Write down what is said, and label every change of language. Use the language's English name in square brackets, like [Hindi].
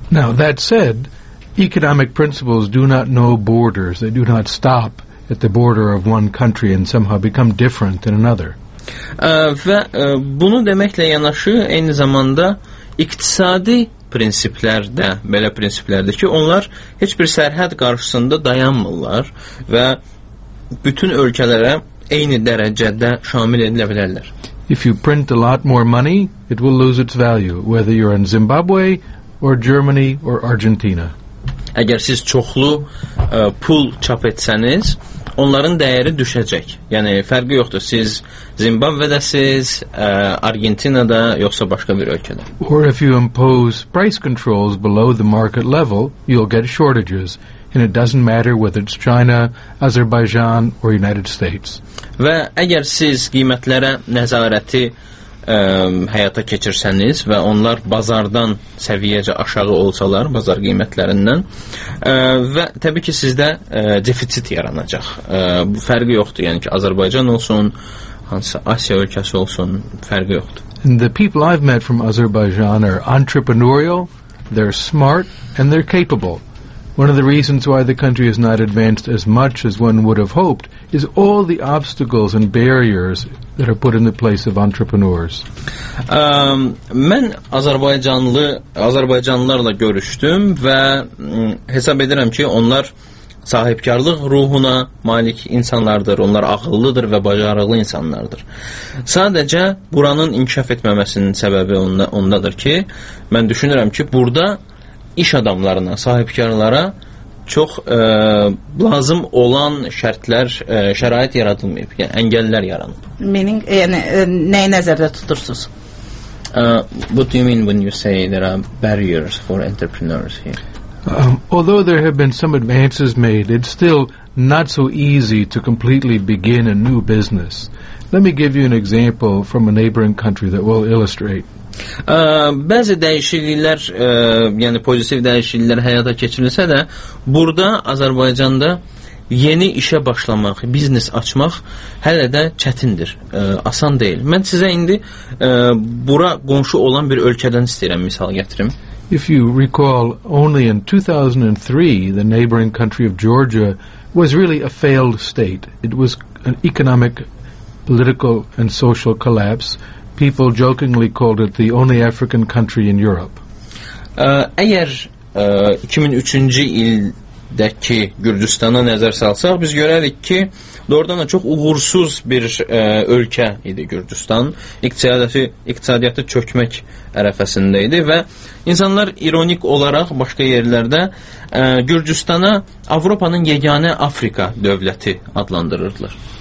[English] Now, that said, economic principles do not know borders. They do not stop at the border of one country and somehow become different than another. [Azerbaijani] Və bunu deməklə yanaşı, eyni zamanda İqtisadi prinsiplər də belə prinsiplərdir ki, onlar heç bir sərhəd qarşısında dayanmırlar və bütün ölkələrə eyni dərəcədə şamil edilə bilərlər. [English] If you print a lot more money, it will lose its value, whether you're in Zimbabwe or Germany or Argentina. [Azerbaijani] Əgər siz çoxlu pul çap etsəniz, onların dəyəri düşəcək. Yəni, fərqi yoxdur. Siz Zimbabvədəsiz, Argentinada, yoxsa başqa bir ölkədə. [English] Or if you impose price controls below the market level, you'll get shortages. And it doesn't matter whether it's China, Azerbaijan or United States. [Azerbaijani] Və əgər siz qiymətlərə nəzarəti həyata keçirsəniz və onlar bazardan səviyyəcə aşağı olsalar, bazar qiymətlərindən və təbii ki, sizdə defisit yaranacaq. Bu fərqi yoxdur, yəni ki, Azərbaycan olsun, hansısa Asiya ölkəsi olsun, fərqi yoxdur. [English] And the people I've met from Azerbaijan are entrepreneurial, they're smart and they're capable. One of the reasons why the country has not advanced as much as one would have hoped is all the obstacles and barriers that are put in the place of entrepreneurs. [Azerbaijani] Mən Azərbaycanlılarla görüşdüm və hesab edirəm ki, onlar sahibkarlıq ruhuna malik insanlardır, onlar ağıllıdır və bacarıqlı insanlardır. Sadəcə buranın inkişaf etməməsinin səbəbi ondadır ki, mən düşünürəm ki, burada iş adamlarına, sahibkarlara çox lazım olan şərtlər, şərait yaradılmayıb, yəni əngəllər yaranıb. Meaning, yəni nəyi nəzərdə tutursunuz? [English] What do you mean when you say there are barriers for entrepreneurs here? Although there have been some advances made, it's still not so easy to completely begin a new business. Let me give you an example from a neighboring country that will illustrate. [Azerbaijani] Bəzi dəyişikliklər, yəni pozitiv dəyişikliklər həyata keçirilsə də, burada Azərbaycanda yeni işə başlamaq, biznes açmaq hələ də çətindir, asan deyil. Mən sizə indi bura qonşu olan bir ölkədən istəyirəm misal gətirim. [English] If you recall, only in 2003, the neighboring country of Georgia was really a failed state. It was an economic, political and social collapse. People jokingly called it the only African country in Europe. [Azerbaijani] Əgər 2003-cü ildəki Gürcüstana nəzər salsaq, biz görərik ki, doğrudan da çox uğursuz bir ölkə idi Gürcüstan. İqtisadiyyatı çökmək ərəfəsində idi və insanlar ironik olaraq başqa yerlərdə Gürcüstana Avropanın yeganə Afrika dövləti adlandırırdılar.